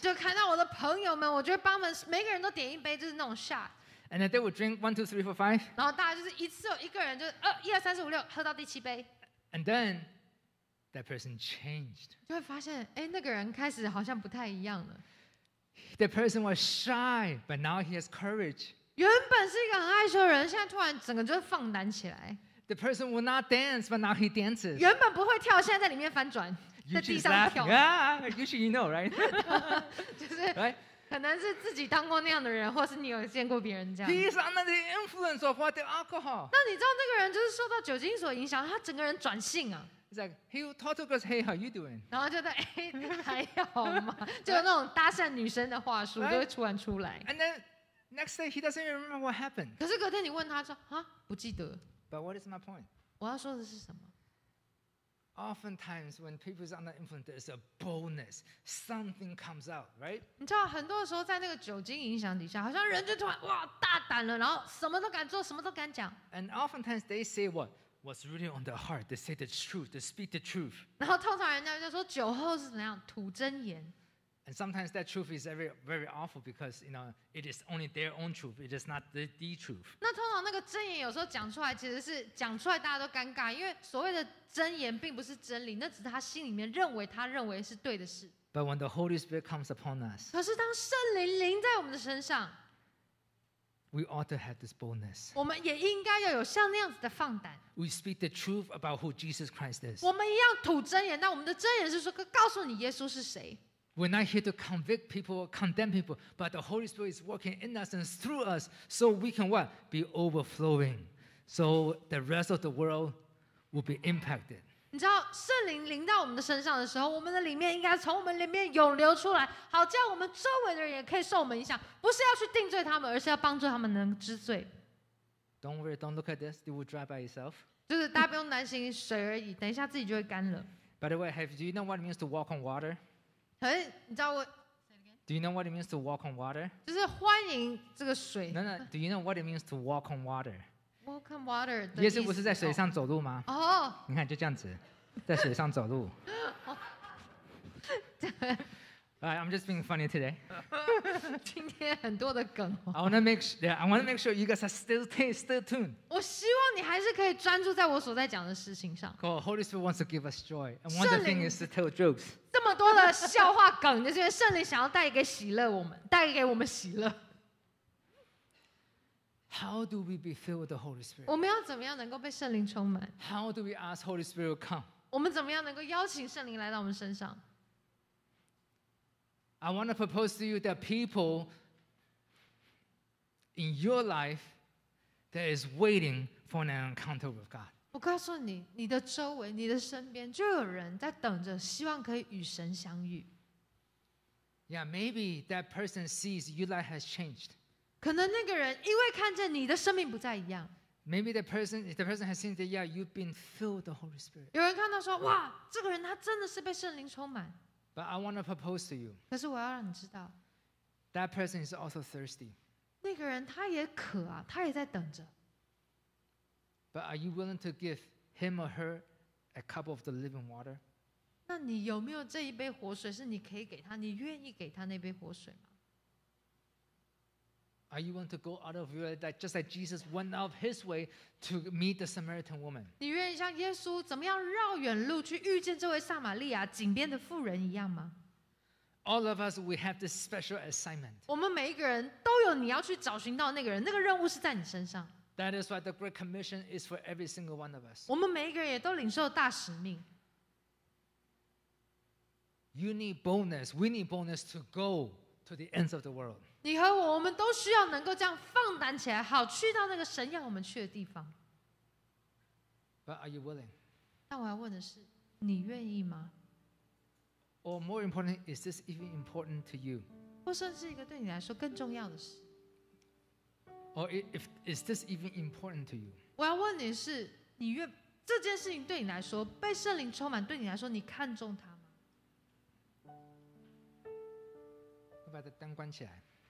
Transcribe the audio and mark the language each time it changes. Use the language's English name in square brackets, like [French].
[Chinese] 就看到我的朋友们，我就会帮他们每个人都点一杯，就是那种 shot. [English] And then they would drink 1, 2, 3, 4, 5. [Chinese] 然后大家就是一次有一个人就一二三四五六喝到第七杯。 [English] And then that person changed. [Chinese] 就会发现，哎，那个人开始好像不太一样了。 [English] The person was shy, but now he has courage. [Chinese] 原本是一个很害羞的人，现在突然整个就放胆起来。 [English] The person will not dance, but now he dances. [Chinese] 原本不会跳，现在在里面翻转，在地上跳。 [English] Yeah, usually you know, right? [Chinese] 就是 right? 可能是自己当过那样的人，或是你有见过别人这样。 [English] He is under the influence of what the alcohol. [Chinese] 那你知道那个人就是受到酒精所影响，他整个人转性啊。 [English] It's like he talk to girls, hey, how you doing? [Chinese] 然后就在哎还好吗？就那种搭讪女生的话术就会突然出来。 [English] And then next day he doesn't remember what happened. [Chinese] 可是隔天你问他说啊不记得。 [English] But what is my point? [Chinese] 我要说的是什么？ [English] Oftentimes when people are under influence, there's a boldness. Something comes out, right? [Chinese] 你知道，很多时候在那个酒精影响底下，好像人就突然哇大胆了，然后什么都敢做，什么都敢讲。 [English] And oftentimes they say what? What's really on their heart? They say the truth. They speak the truth. [Chinese] 然后通常人家就说酒后是怎样吐真言。 [English] And sometimes that truth is very, very awful because you know it is only their own truth. It is not the truth. [Chinese] 那通常那个真言有时候讲出来，其实是讲出来大家都尴尬，因为所谓的真言并不是真理，那只是他心里面认为他认为是对的事。 [English] But when the Holy Spirit comes upon us, [Chinese] 可是当圣灵临在我们的身上 [English] ，we ought to have this boldness. [Chinese] 我们也应该要有像那样子的放胆。 [English] We speak the truth about who Jesus Christ is. [Chinese] 我们一样吐真言，但我们的真言是说，告诉你耶稣是谁。 [English] We're not here to convict people or condemn people, but the Holy Spirit is working in us and through us so we can what? Be overflowing. So the rest of the world will be impacted. [Chinese] 你知道圣灵临到我们的身上的时候我们的里面应该从我们里面涌流出来好叫我们周围的人也可以受我们影响不是要去定罪他们而是要帮助他们能知罪。 [English] Don't worry, don't look at this. It will dry by itself. [Chinese] 就是大家不用担心水而已等一下自己就会干了。 [English] By the way, do you know what it means to walk on water? [Chinese] 可是你知道我 [English] ？Do you know what it means to walk on water？ [Chinese] 就是欢迎这个水。 [English] No, no. Do you know what it means to walk on water？ Walk on water。 [Chinese] 耶稣不是在水上走路吗？哦、你看就这样子，在水上走路。对。 [English] Right, I'm just being funny today. [Chinese] 今天很多的梗。 [English] I want to make sure you guys are still tuned. [Chinese] 我希望你还是可以专注在我所在讲的事情上。 [English] Cool. Holy Spirit wants to give us joy, and one of the things is to tell jokes. [Chinese] 这么多的笑话梗，就是因为圣灵想要带给喜乐我们，带给我们喜乐。 [English] How do we be filled with the Holy Spirit? [Chinese] 我们要怎么样能够被圣灵充满 [English] ？How do we ask Holy Spirit to come? [Chinese] 我们怎么样能够邀请圣灵来到我们身上 [English] ？I want to propose to you that people in your life that is waiting for an encounter with God. [Chinese] 我告诉你，你的周围、你的身边就有人在等着，希望可以与神相遇。 [English] Yeah, maybe that person sees your life has changed. [Chinese] 可能那个人因为看见你的生命不再一样。 [English] Maybe the person has seen that yeah, you've been filled with the Holy Spirit. [Chinese] 有人看到说，哇，这个人他真的是被圣灵充满。 [English] But I want to propose to you. [Chinese] 可是我要让你知道。 [English] That person is also thirsty. [Chinese] 那个人他也渴啊，他也在等着。 [English] But are you willing to give him or her a cup of the living water? [Chinese] 那你有没有这一杯活水是你可以给他，你愿意给他那杯活水吗？ [English] Are you willing to go out of your way that just like Jesus went out of his way to meet the Samaritan woman? [Chinese] 你愿意像耶稣怎么样绕远路去遇见这位撒玛利亚井边的妇人一样吗？ [English] All of us, we have this special assignment. [Chinese] 我们每一个人都有你要去找寻到那个人，那个任务是在你身上。 [English] That is why the Great Commission is for every single one of us. [Chinese] 我们每一个人也都领受大使命。 [English] You need boldness. We need boldness to go to the ends of the world. [Chinese] 你和我，我们都需要能够这样放胆起来，好去到那个神要我们去的地方。 [English] But are you willing? [Chinese] 但我要问的是，你愿意吗？ [English] Or more important, is this even important to you? [Chinese] 或甚至一个对你来说更重要的事。 [English] Or if is this even important to you? [Chinese] 我要问你是，你愿这件事情对你来说，被圣灵充满对你来说，你看重它？我把灯关起来。